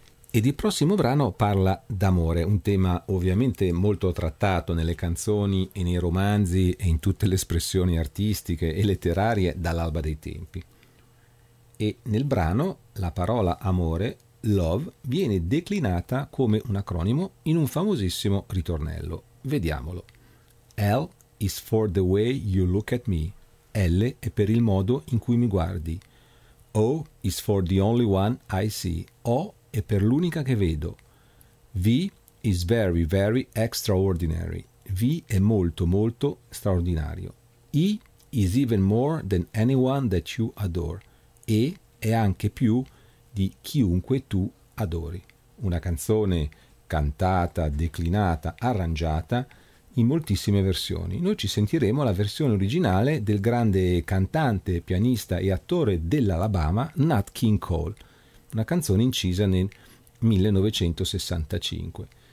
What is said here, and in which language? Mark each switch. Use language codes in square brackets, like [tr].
[it] Ed il prossimo brano parla d'amore, un tema ovviamente molto trattato nelle canzoni e nei romanzi e in tutte le espressioni artistiche e letterarie dall'alba dei tempi. E nel brano la parola amore, love, viene declinata come un acronimo in un famosissimo ritornello. Vediamolo. [en] L is for the way you look at me. [it] L è per il modo in cui mi guardi. [en] O is for the only one I see. [it] O è per l'unica che vedo. [en] V is very, very extraordinary. [it] V è molto, molto straordinario. [en] E is even more than anyone that you adore. [it] E è anche più di chiunque tu adori. Una canzone cantata, declinata, arrangiata in moltissime versioni. Noi ci sentiremo la versione originale del grande cantante, pianista e attore dell'Alabama, Nat King Cole, una canzone incisa nel 1965.